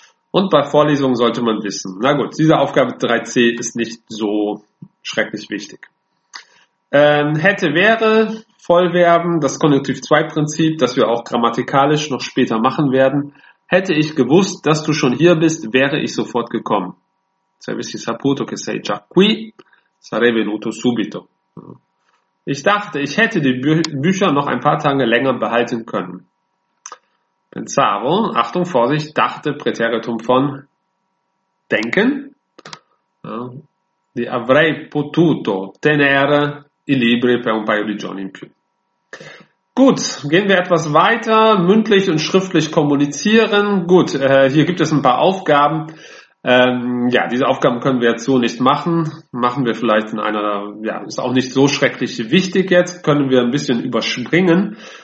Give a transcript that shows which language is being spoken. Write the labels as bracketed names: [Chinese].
[German] Und bei Vorlesungen sollte man wissen. Na gut, diese Aufgabe 3c ist nicht so schrecklich wichtig. Hätte, wäre, Vollverben, das Konjunktiv-2-Prinzip, das wir auch grammatikalisch noch später machen werden. Hätte ich gewusst, dass du schon hier bist, wäre ich sofort gekommen. [Italian] Se avessi saputo che sei già qui, sarei venuto subito. [German] Ich dachte, ich hätte die Bücher noch ein paar Tage länger behalten können. [Italian] Pensavo, [German] Achtung, Vorsicht, dachte, Präteritum von denken. [Italian] Li avrei potuto tenere i libri per un paio di giorni in più. [German] Gut, gehen wir etwas weiter, mündlich und schriftlich kommunizieren. Gut, hier gibt es ein paar Aufgaben. Ja, diese Aufgaben können wir jetzt so nicht machen. Machen wir vielleicht in einer, ja, ist auch nicht so schrecklich wichtig jetzt, können wir ein bisschen überspringen.